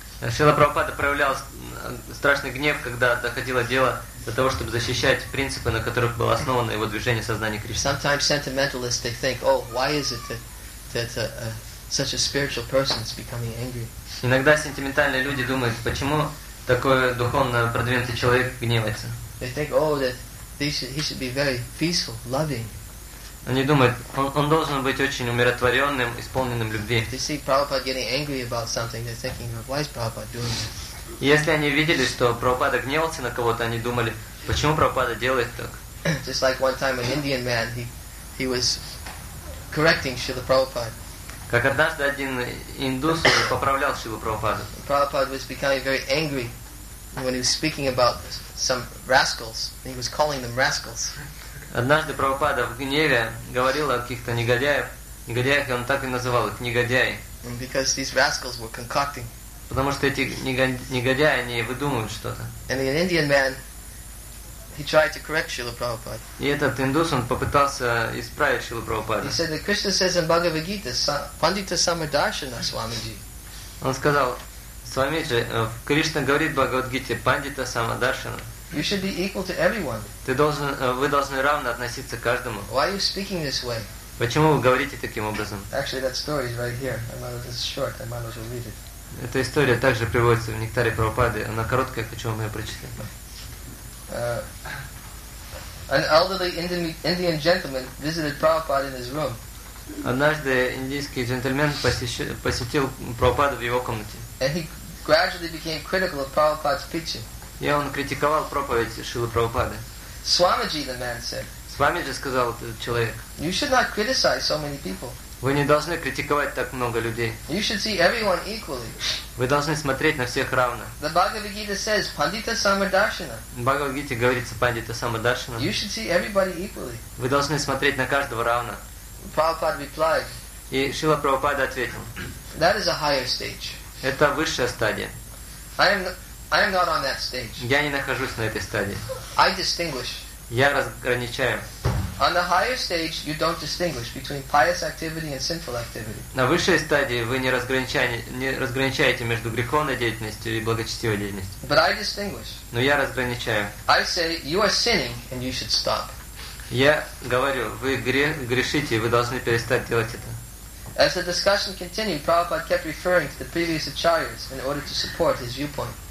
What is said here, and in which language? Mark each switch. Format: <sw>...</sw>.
<ru>Шрила Прабхупада проявлял страшный гнев, когда доходило дело до того, чтобы защищать принципы, на которых было основано его движение сознания Кришны.</ru> <en>Sometimes sentimentalists they think, "Oh, why is it that such a spiritual person is becoming angry?"</en> <ru>Иногда сентиментальные люди думают, почему такой духовно продвинутый человек гневается.</ru> <en>They think, "Oh, that he should be very peaceful, loving."</en> <ru>Они думают, он должен быть очень умиротворенным, исполненным любви.</ru> <en>If they see Prabhupada getting angry about something, they're thinking, "Why is Prabhupada doing this?"</en> <ru>Если они видели, что Прабхупада гневался на кого-то, они думали, почему Прабхупада делает так?</ru> <en>Just like one time an Indian man, he was correcting Srila Prabhupada.</en> <ru>Как однажды один индус поправлял Шрилу Прабхупаду.</ru> <en>Prabhupada was becoming very angry when he was speaking about this. Some rascals. He was calling them rascals.</en> <ru>Однажды Прабхупада в гневе говорил о каких-то негодяях, и он так и называл их негодяи.</ru> <en>Because these rascals were concocting.</en> <ru>Потому что эти негодяи они выдумывают что-то.</ru> <en>And an Indian man, he tried to correct Srila Prabhupada.</en> <ru>И этот индус он попытался исправить Шрилу Прабхупаду.</ru> <en>He said that Krishna says in Bhagavad Gita, "Pandita Samadarshana Swamiji."</en> <ru>Он сказал. Свамиджи, Кришна говорит в Бхагавад-гите, пандита самадаршана.</ru> <en>You should be equal to everyone.</en> <ru>Вы должны равно относиться к каждому.</ru> <en>Why are you speaking this way?</en> <ru>Почему вы говорите таким образом?</ru> <en>Actually, that story is right here. It's short. I might as well read it.</en> <ru>Эта история также приводится в Нектаре Прабхупады. Она короткая, хочу вам ее прочитать.</ru> <en>An elderly Indian gentleman visited Prabhupada in his room.</en> <ru>Однажды индийский джентльмен посетил Прабхупаду в его комнате.</ru> <en>And he gradually became critical of Prabhupada's preaching.</en> <ru>И он критиковал проповедь Шрилы Прабхупады.</ru> <en>Swamiji, the man said.</en> <ru>Свамиджи сказал этот человек.</ru> <en>You should not criticize so many people.</en> <ru>Вы не должны критиковать так много людей.</ru> <en>You should see everyone equally.</en> <ru>Вы должны смотреть на всех равно.</ru> <en>The Bhagavad Gita says, "Pandita Samadarshana."</en> <ru>В Бхагавад Гите говорится, "Пандита Самадаршана."</ru> <en>You should see everybody equally.</en> <ru>Вы должны смотреть на каждого равно.</ru> <en>Prabhupada replied.</en> <ru>И Шрила Прабхупада ответил.</ru> <en>That is a higher stage.</en> <ru>Это высшая стадия.</ru> <en>I am not on that stage.</en> <ru>Я не нахожусь на этой стадии.</ru> <en>I distinguish.</en> <ru>Я разграничаю.</ru> <en>On the higher stage, you don't distinguish between pious activity and sinful activity.</en> <ru>На высшей стадии вы не разграничаете между греховной деятельностью и благочестивой деятельностью.</ru> <en>But I distinguish.</en> <ru>Но я разграничаю.</ru> <en>I say you are sinning and you should stop.</en> <ru>Я говорю, вы грешите, вы должны перестать делать это.</ru> <en>As the discussion continued, Prabhupada kept referring to the previous acharyas in order to support his viewpoint.</en>